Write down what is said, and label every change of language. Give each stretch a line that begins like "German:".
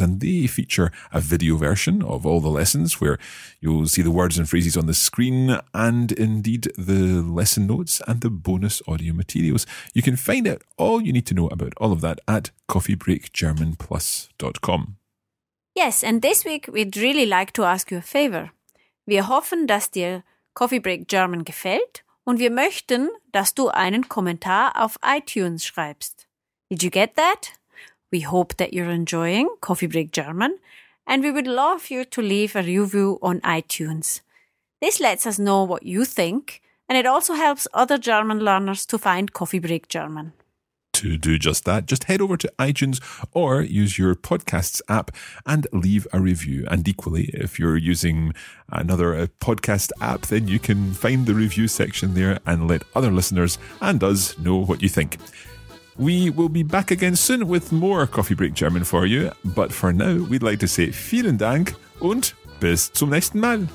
English: And they feature a video version of all the lessons where you'll see the words and phrases on the screen and indeed the lesson notes and the bonus audio materials. You can find out all you need to know about all of that at coffeebreakgermanplus.com. Yes, and this week we'd really like to ask you a favor.
German: Wir hoffen, dass dir Coffee Break German gefällt und wir möchten, dass du einen Kommentar auf iTunes schreibst.
English: Did you get that? We hope that you're enjoying Coffee Break German and we would love you to leave a review on iTunes. This lets us know what you think and it also helps other German learners to find Coffee Break German. To do just that, just head over to iTunes or use your podcasts app and leave a review. And equally, if you're using another podcast app, then you can find the review section there and let other listeners and us know what you think. We will be back again soon with more Coffee Break German for you. But for now, we'd like to say
German: vielen Dank und bis zum nächsten Mal.